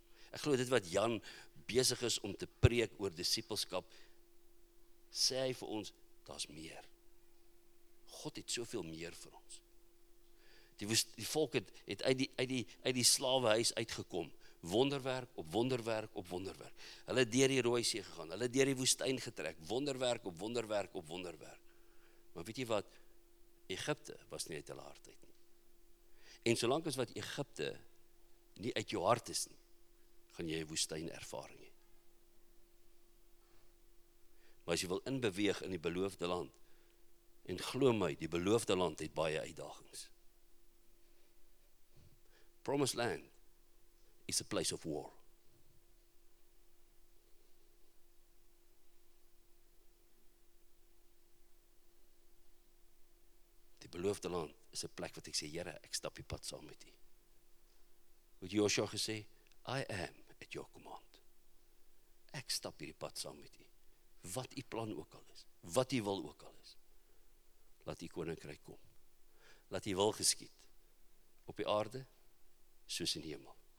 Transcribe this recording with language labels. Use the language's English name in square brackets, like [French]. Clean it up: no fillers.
[Afrikaans] Ek glo dit wat Jan besig is om te preek oor disipelskap, sê hy vir ons, daar's meer. God het soveel meer vir ons. Die volk het uit die slawehuis uitgekom, wonderwerk op wonderwerk op wonderwerk. Hulle het deur die Rooi See gegaan, hulle het deur die woestyn getrek, wonderwerk op wonderwerk op wonderwerk. Maar weet jy wat, Egypte was nie uit hulle hart uit. En solank as wat Egypte nie uit jou hart is nie, gaan jy woestyn ervaring hê. Maar as jy wil inbeweeg in die beloofde land, en glo my, die beloofde land het baie uitdagings. [English] Promised land is a place of war. [Afrikaans] Die beloofde land is a plek wat ek sê, Here, ek stap die pad saam met u. Wat Joshua gesê, [English] I am at your command. [Afrikaans] Ek stap hierdie pad saam met u. Wat u plan ook al is, wat u wil ook al is, laat u koninkryk kom. Laat u wil geskied, op die aarde, soos in die hemel.